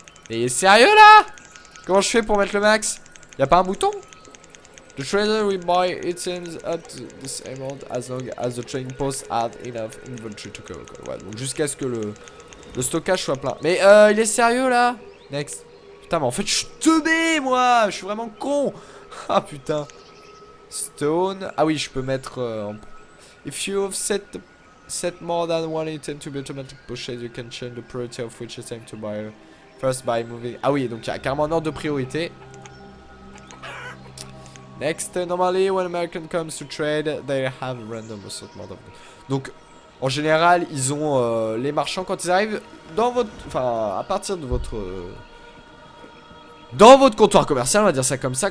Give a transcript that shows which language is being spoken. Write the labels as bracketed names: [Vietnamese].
[French] Mais sérieux là? Comment je fais pour mettre le max? Y'a pas un bouton? [English] The trader will buy items at the same amount as long as the trading post has enough inventory to cover. [French] Ouais, donc jusqu'à ce que le stockage soit plein. Mais il est sérieux là? Next. Putain, mais en fait, je suis teubé moi! Je suis vraiment con! Ah putain. Stone. Ah oui, je peux mettre. [English] If you have set more than one item to be automatic pushed, you can change the priority of which item to buy first by moving. [French] Ah oui, donc il y a carrément un ordre de priorité. Next. [English] Normally, when American comes to trade, they have a random assortment of. [French] Donc. En général, ils ont les marchands quand ils arrivent dans votre, enfin, à partir de votre, dans votre comptoir commercial, on va dire ça comme ça.